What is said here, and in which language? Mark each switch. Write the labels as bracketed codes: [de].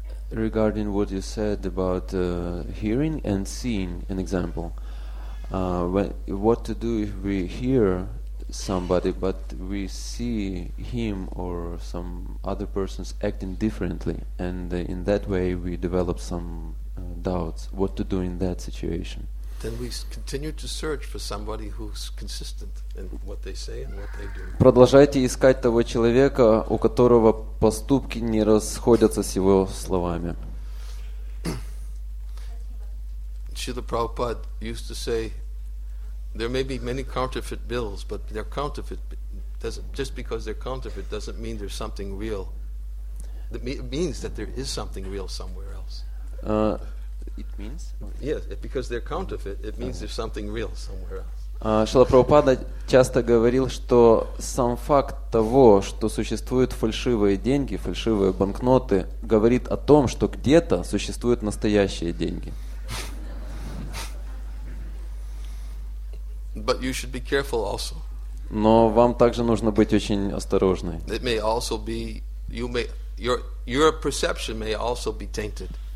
[en] Regarding what you said about hearing and seeing, an example, what to do if we hear somebody but we see him or some other persons acting differently, and in that way we develop some doubts. What to do in that situation? Then we continue to search for somebody who's consistent in what they say and what they do. [ru] Продолжайте искать того человека, у которого поступки не расходятся с его словами. [en] Srila Prabhupada used to say, there may be many counterfeit bills, but they're counterfeit. Just because they're counterfeit doesn't mean there's something real. It means that there is something real somewhere else. It means? Yes, because they're counterfeit, it means there's something real somewhere else. [ru] Шрила Прабхупада часто говорил, что сам факт того, что существуют фальшивые деньги, фальшивые банкноты, говорит о том, что где-то существуют настоящие деньги. [en] But you should be careful also. [ru] Но вам также нужно быть очень осторожной. [en] It may also be, your perception may also be tainted.